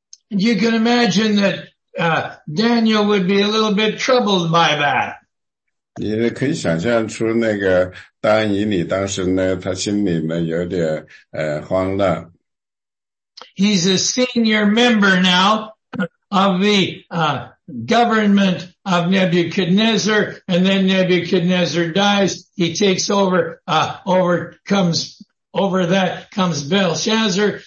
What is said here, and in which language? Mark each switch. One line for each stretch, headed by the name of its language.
English: You can imagine that Daniel would be a little bit troubled by that.
Chinese: 你可以想象出那个丹以理当时呢他心里呢有点慌乱。
English: He's a senior member now of the government of Nebuchadnezzar, and then Nebuchadnezzar dies, he takes over, comes Belshazzar.